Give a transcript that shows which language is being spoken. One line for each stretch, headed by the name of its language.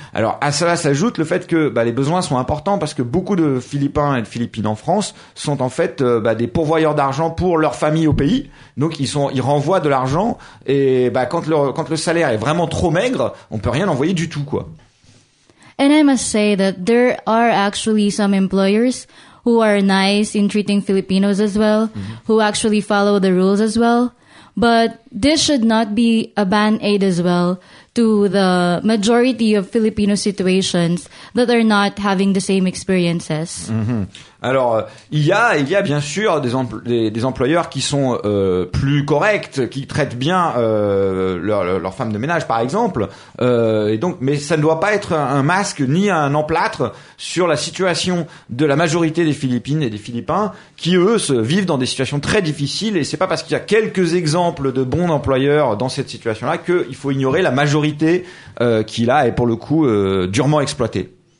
French: Alors, à cela s'ajoute le fait que les besoins sont importants, parce que beaucoup de Philippins et de Philippines en France sont en fait des pourvoyeurs d'argent pour leur famille au pays. Donc, ils renvoient de l'argent, et quand le salaire est vraiment trop maigre, on peut rien envoyer du tout, quoi.
English: And I must say that there are actually some employers who are nice in treating Filipinos as well, who actually follow the rules as well. But this should not be a band-aid as well to the majority of Filipino situations that are not having the same experiences. Mm-hmm.
French: Alors, il y a bien sûr des employeurs qui sont plus corrects, qui traitent bien leur femme de ménage, par exemple. Mais ça ne doit pas être un masque ni un emplâtre sur la situation de la majorité des Philippines et des Philippins qui, eux, vivent dans des situations très difficiles. Et c'est pas parce qu'il y a quelques exemples de bons employeurs dans cette situation-là qu'il faut ignorer la majorité qui, là, est pour le coup durement exploitée.